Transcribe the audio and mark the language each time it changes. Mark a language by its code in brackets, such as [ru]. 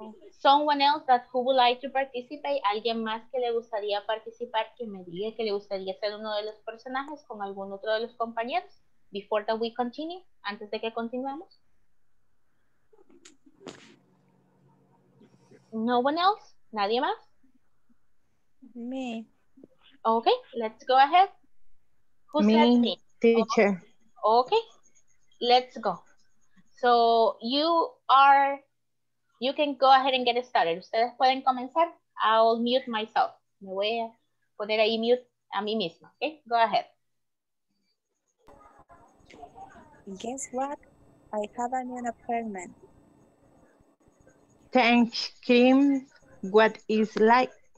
[en] Someone else that who would like to participate? [es] ¿Alguien más que le gustaría participar? Que me diga que le gustaría ser uno de los personajes con algún otro de los compañeros. [en] Before that we continue, [es] antes de que continuemos. [en] No one else? [es] ¿Nadie más? [en] Me. Okay, let's go ahead. Who's me, teacher. Okay, let's go. So you are, you can go ahead and get started. [es] Ustedes pueden comenzar. [en] I'll mute myself. [es] Me voy a poner ahí mute a mí misma. [en] Okay, go ahead. Guess what? I have a new appointment. Thanks, Kim. What is like?